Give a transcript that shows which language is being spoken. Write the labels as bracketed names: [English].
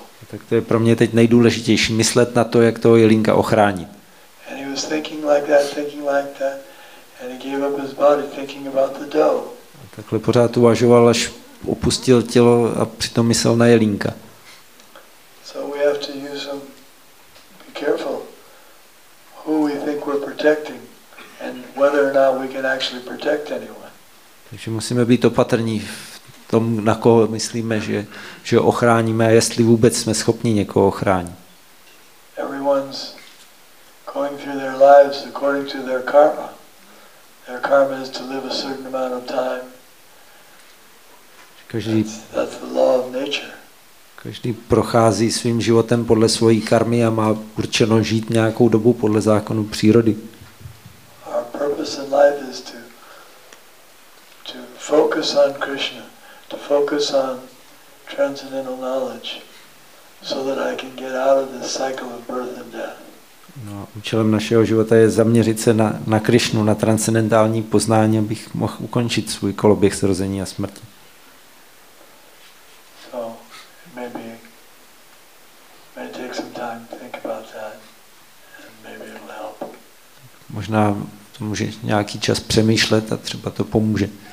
[Czech] Tak to je pro mě teď nejdůležitější, myslet na to, jak toho jelinka ochránit. [English] And he was thinking like that. And he gave up his body thinking about the doe. [Czech] A takhle pořád uvažoval, až opustil tělo a přitom myslel na jelínka. [English] So we have to use some, be careful who we think we're protecting and whether or not we can actually protect anyone. [Czech] Takže musíme být opatrní v tom, na koho myslíme, že ochráníme a jestli vůbec jsme schopni někoho ochránit. [English] Everyone's going through their lives according to their karma. Their karma is to live a certain amount of time. That's the law of nature. [Czech] Každý prochází svým životem podle svojí karmy a má určeno žít nějakou dobu podle zákonu přírody. [English] Our purpose in life is to focus on Krishna, to focus on transcendental knowledge so that I can get out of this cycle of birth and death. [Czech] No, účelem našeho života je zaměřit se na Krišnu, na transcendentální poznání, abych mohl ukončit svůj koloběh zrození a smrti. [English] So, maybe may take some time to think about that and maybe it'll help. [Czech] Možná to může nějaký čas přemýšlet a třeba to pomůže.